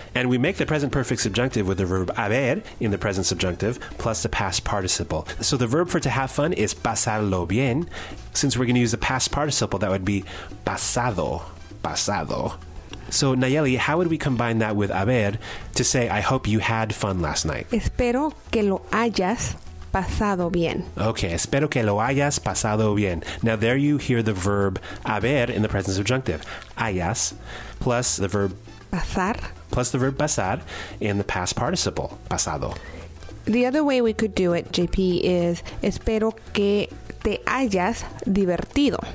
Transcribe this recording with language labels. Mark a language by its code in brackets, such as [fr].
[en] And we make the present perfect subjunctive with the verb haber in the present subjunctive plus the past participle. So the verb for to have fun is pasarlo bien. Since we're going to use the past participle, that would be pasado, pasado. So, Nayeli, how would we combine that with haber to say, I hope you had fun last night? [es] Espero que lo hayas pasado bien. Okay, espero que lo hayas pasado bien. [en] Now there you hear the verb haber in the present subjunctive. Hayas plus the verb [es] pasar. [en] Plus the verb pasar in the past participle, pasado. The other way we could do it, JP, is [es] espero que te hayas divertido.